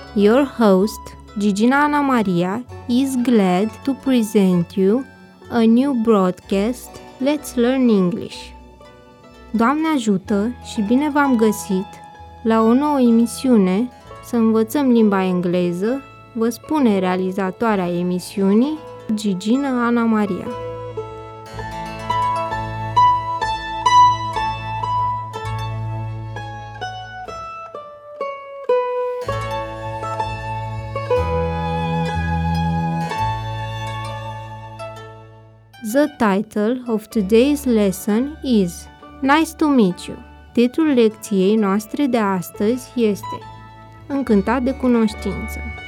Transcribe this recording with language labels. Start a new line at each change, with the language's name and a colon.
English: Your host, Gigina Ana Maria, is glad to present you a new broadcast, Let's Learn English.
Romanian: Doamne ajută și bine v-am găsit la o nouă emisiune, Să învățăm limba engleză, vă spune realizatoarea emisiunii, Gigina Ana Maria.
English: The title of today's lesson is Nice to meet you.
Romanian: Titlul lecției noastre de astăzi este Încântat de cunoștință.